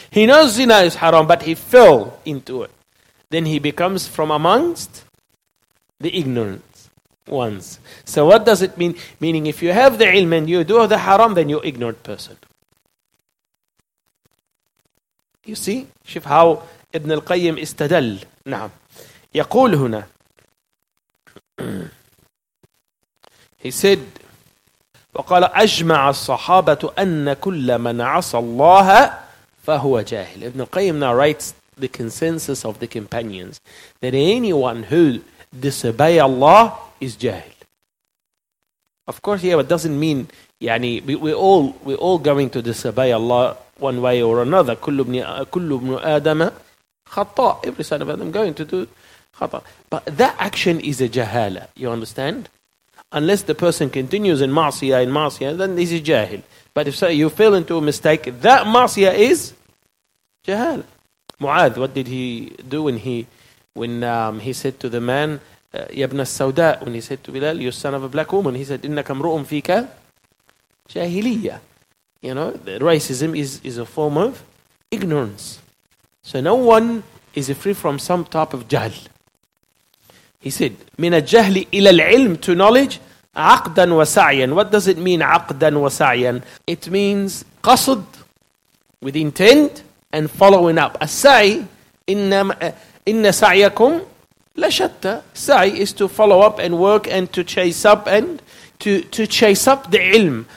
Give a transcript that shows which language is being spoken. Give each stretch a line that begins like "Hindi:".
English: He knows zina is haram, but he fell into it. Then he becomes from amongst the ignorant ones. So what does it mean? Meaning if you have the ilm and you do the haram, then you're an ignorant person. You see? شوف how Ibn al-Qayyim استدل.
Arabic: نعم. يقول هنا.
English: He said,
Arabic: وقال أجمع الصحابة أن كل من عصى الله فهو جاهل.
English: Ibn al-Qayyim now writes the consensus of the companions that anyone who disobey Allah is jahil. Of course, yeah, but doesn't mean يعني we're all going to disobey Allah one way or another.
Arabic: كل ابن آدم خطاء.
English: Every son of Adam going to do خطاء. But that action is a jahala. You understand? Unless the person continues in ma'asiyah, then this is jahil. But if so, you fell into a mistake, that ma'asiyah is jahal. Mu'adh, what did he do when he said to the man, Yabna al-Sawda, when he said to Bilal, you're son of a black woman, he said,
Arabic: innaka mru'un fika jahiliya.
English: You know, the racism is a form of ignorance. So no one is free from some type of jahl. He said,
Arabic: من الجهل إلى العلم,
English: to knowledge,
Arabic: عقدا وسعيا.
English: What does it mean,
Arabic: عقدا وسعيا?
English: It means قصد, with intent, and following up.
Arabic: السعي, إن سعيكم لشتى.
English: سعي is to follow up and work and to chase up and to chase up the ilm.